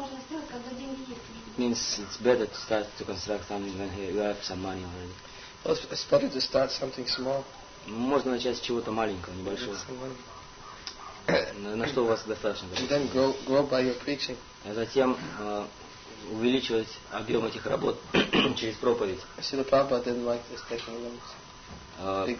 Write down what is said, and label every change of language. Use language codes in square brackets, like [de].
[en] It means it's better to start to construct something when you have some money already. Well, it's better to start something small. [ru] Можно начать с чего-то маленького, небольшого. На что у вас достаточно? [en] And then grow by your preaching. [ru] А затем увеличивать объем этих работ через проповедь. [en] I see the Prabhupada didn't like this taking loans.